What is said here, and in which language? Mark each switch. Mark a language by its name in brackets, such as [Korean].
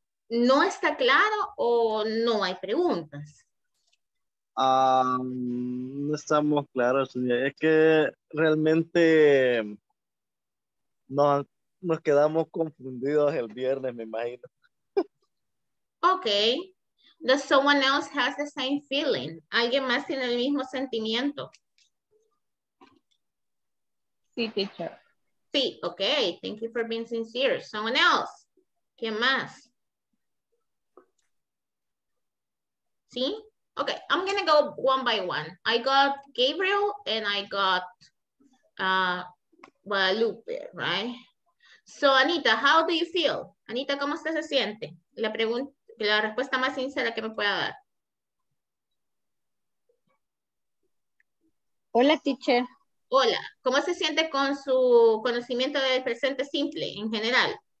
[Spanish] ¿No está claro o no hay preguntas? No estamos claros. Es que realmente nos quedamos confundidos el viernes, me imagino. [English] Okay, does someone else has the same feeling? [Spanish] ¿Alguien más tiene el mismo sentimiento? Sí, teacher. [English] Sí, okay, thank you for being sincere. Someone else, [Spanish] ¿quién más? [English] Sí, okay, I'm gonna go one by one. I got Gabriel and I got Guadalupe, right? So Anita, how do you feel? [Spanish] Anita, ¿cómo usted se siente? La pregunta. La respuesta más sincera que me pueda dar. Hola, teacher. Hola. ¿Cómo se siente con su conocimiento del presente simple en general?